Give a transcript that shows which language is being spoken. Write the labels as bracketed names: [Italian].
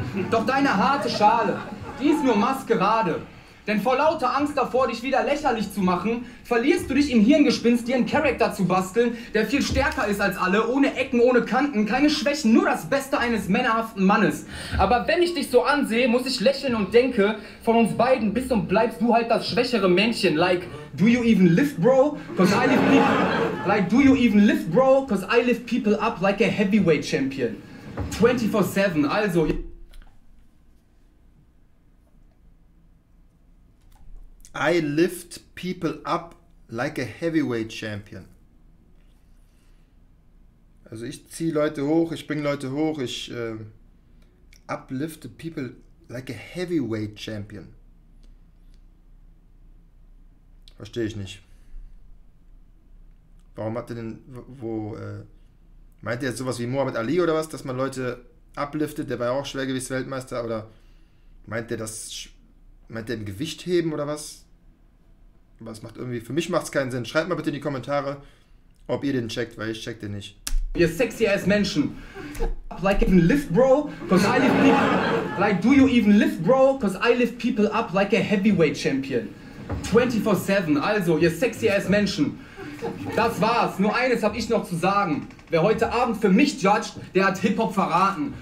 [German] Doch deine harte Schale, die ist nur Maskerade. Denn vor lauter Angst davor, dich wieder lächerlich zu machen, verlierst du dich im Hirngespinst, dir einen Charakter zu basteln, der viel stärker ist als alle, ohne Ecken, ohne Kanten, keine Schwächen, nur das Beste eines männerhaften Mannes. Aber wenn ich dich so ansehe, muss ich lächeln und denke, von uns beiden bist und bleibst du halt das schwächere Männchen. [English] Like, do you even lift, bro? Cause I lift people, like, do you even lift, bro? Cause I lift people up like a heavyweight champion. 24/7, also... I lift people up like a heavyweight champion. [German] Also ich ziehe Leute hoch, ich bringe Leute hoch, ich [English] uplift people like a heavyweight champion. [German] Verstehe ich nicht. Warum hat der denn, meint der jetzt sowas wie Muhammad Ali oder was, dass man Leute upliftet, der war ja auch Schwergewichtsweltmeister, oder meint der das, meint der im Gewicht heben oder was? Aber es macht irgendwie, für mich macht es keinen Sinn. Schreibt mal bitte in die Kommentare, ob ihr den checkt, weil ich check den nicht. Ihr [English] sexy ass [German] Menschen. [English] Like even lift, bro, cause I lift people. Like do you even lift, bro, cause I lift people up like a heavyweight champion. [German] 24/7, also ihr [English] sexy ass [German] Menschen. Das war's, nur eines hab ich noch zu sagen. Wer heute Abend für mich judged, der hat Hip-Hop verraten.